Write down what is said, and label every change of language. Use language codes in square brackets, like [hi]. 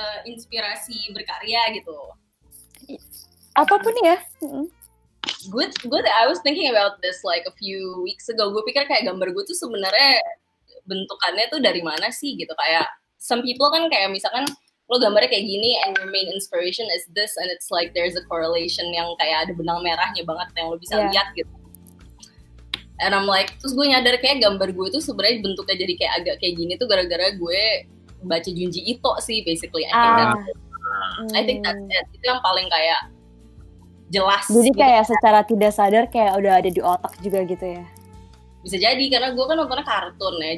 [id] Inspirasi berkarya gitu. Apapun ya. [en] Good. I was thinking about this like a few weeks ago. [id] Gue pikir kayak gambar gue tuh sebenarnya bentukannya tuh dari mana sih gitu. Kayak [en] some people [id] kan kayak misalkan lo gambarnya kayak gini [en] and your main inspiration is this and it's like there's a correlation [id] yang kayak ada benang merahnya banget yang lo bisa lihat gitu. [en] And I'm like, [id] terus gue nyadar kayak gambar gue tuh sebenarnya bentuknya jadi kayak agak kayak gini tuh gara-gara gue baca Junji Ito sih basically. [en] I think that's it. [id] Itu yang paling kayak jelas. Jadi gitu. Kayak secara tidak sadar kayak udah ada di otak juga gitu ya. Bisa jadi karena gue kan nontonnya kartun ya.